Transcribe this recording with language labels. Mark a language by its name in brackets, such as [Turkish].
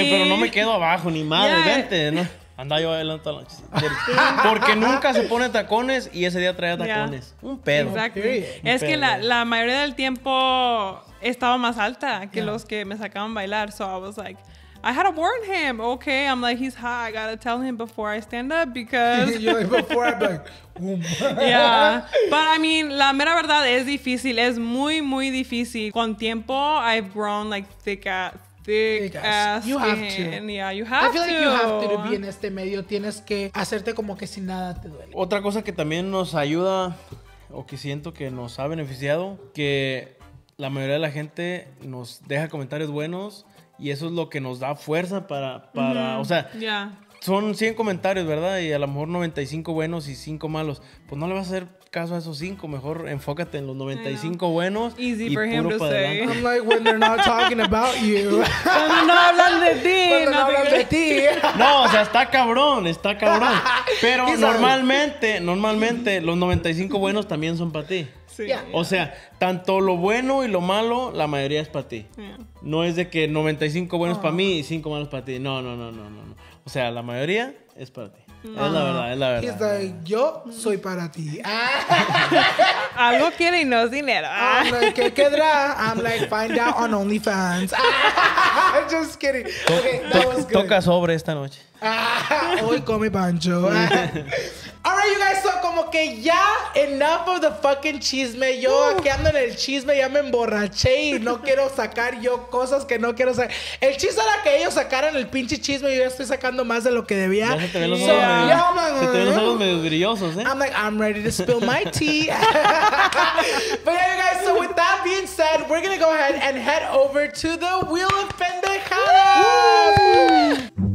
[Spanish] Dije, pero no me quedo abajo, ni madre. [English] Yeah. [Spanish] Vente, ¿no? Andaba yo bailando toda la noche. Porque nunca se pone tacones. Y ese día traía tacones. [English] Yeah. [Spanish] Un pedo. [English] Exactly. Okay. [Spanish] Es pedo. Que la mayoría del tiempo estaba más alta que los que me sacaban bailar. [English] So I was like, I had to warn him. Okay, I'm like, he's hot. I gotta tell him before I stand up because... You're like, before I'm like, boom. Yeah. But I mean, [Spanish] la mera verdad es difícil. Es muy, muy difícil. Con tiempo, [English] I've grown like thick ass. You have to. Yeah, you have to. I feel to. Like you have to be in [Spanish] este medio. Tienes que hacerte como que si nada te duele. Otra cosa que también nos ayuda o que siento que nos ha beneficiado, que la mayoría de la gente nos deja comentarios buenos y eso es lo que nos da fuerza para mm-hmm. O sea, [English] yeah. [Spanish] Son 100 comentarios, ¿verdad? Y a lo mejor 95 buenos y 5 malos. Pues no le vas a hacer caso a esos 5. Mejor enfócate en los 95 buenos. [English] Easy y for him to say. [Spanish] Adelante. [English] I'm like, when they're not talking about you. [Spanish] Cuando no hablan de ti. Cuando no hablan de ti. No, o sea, está cabrón. Pero normalmente, los 95 buenos también son para ti. Sí. [English] Yeah. [Spanish] O sea, tanto lo bueno y lo malo, la mayoría es para ti. [English] Yeah. [Spanish] No es de que 95 buenos para mí y 5 malos para ti. No. O sea, la mayoría es para ti. No. Es la verdad. [English] He's like, [Spanish] yo soy para ti. Algo quiere y no es dinero. [English] I'm like, [Spanish] ¿qué quedará? [English] I'm like, find out on OnlyFans. Just kidding. [Spanish] Toca sobre esta noche. Hoy come Pancho. [English] All right, you guys, so [Spanish] como que ya [English] enough of the fucking chisme. [Spanish] Yo aquí ando en el chisme, ya me emborraché y no quiero sacar yo cosas que no quiero sacar. El chisme era que ellos sacaran el pinche chisme y yo ya estoy sacando más de lo que debía. Se te ven los ojos medio brillosos, ¿eh? [English] I'm like, I'm ready to spill my tea. But yeah, you guys, so with that being said, we're gonna go ahead and head over to the Wheel of Pendejadas.